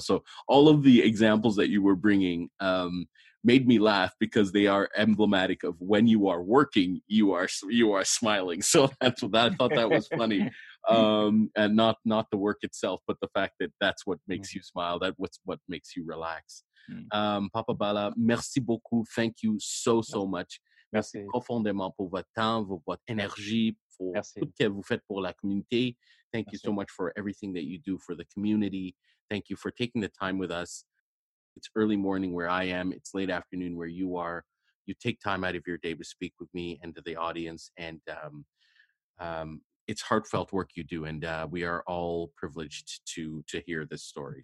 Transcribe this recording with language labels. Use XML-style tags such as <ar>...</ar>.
<en>So all of the examples that you were bringing made me laugh because they are emblematic of when you are working, you are smiling. So that's what I thought that was funny. and not the work itself, but the fact that that's what makes you smile, that's what makes you relax. Papa Bala,</en> <fr>merci beaucoup.</fr> <en>Thank you so, so much.</en> <fr>Merci. Merci profondément pour votre temps, pour votre énergie, pour tout ce que vous faites pour la communauté.</fr> <en>Thank you so much for everything that you do for the community. Thank you for taking the time with us. It's early morning where I am. It's late afternoon where you are. You take time out of your day to speak with me and to the audience. And it's heartfelt work you do. And we are all privileged to hear this story.</en>